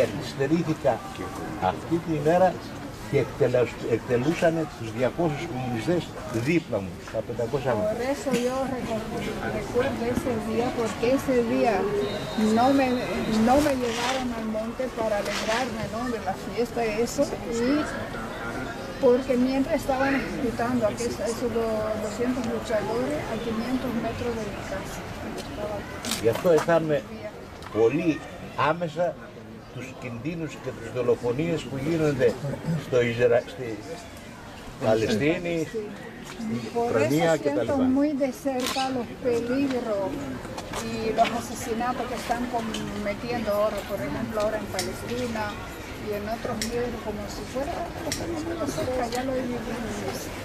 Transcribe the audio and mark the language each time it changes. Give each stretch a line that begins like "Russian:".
Greek: Στερήθηκα αυτή την ημέρα και εκτελούσαν τους 200 κομμουνιστές δίπλα μου, τα 500 μου.
Spanish: Por eso yo recuerdo ese día, porque ese día no me llevaron al monte para alegrarme, ¿no?, de la fiesta y eso, y porque mientras estaban ejecutando a esos 200 luchadores a 500 metros de mi casa.
Greek: Γι' αυτό αισθάνομαι πολύ άμεσα τους κινδύνους και τις δολοφονίες που γίνονται στο στη Παλαιστίνη, Ουκρανία και τα λοιπά.
Spanish: Muy de cerca los peligros y los asesinatos que están cometiendo ahora, por ejemplo, ahora en Palestina y en otros lugares, como si fuera muy cerca, ya lo he vivido.